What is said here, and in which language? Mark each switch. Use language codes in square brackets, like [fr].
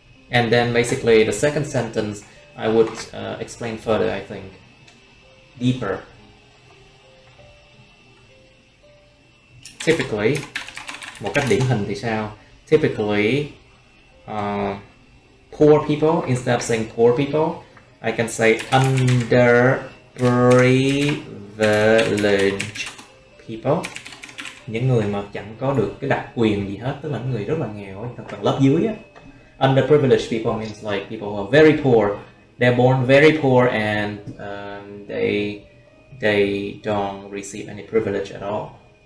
[en] And then basically the second sentence I would explain further, I think. Deeper. [vi] Typically, một cách điển hình thì sao? [en] Typically, poor people, instead of saying poor people, I can say underprivileged people. [vi] Những người mà chẳng có được cái đặc quyền gì hết, tức là những người rất là nghèo, thật là lớp dưới á. [en] Underprivileged people means like people who are very poor. They're born very poor and they don't receive any privilege at all.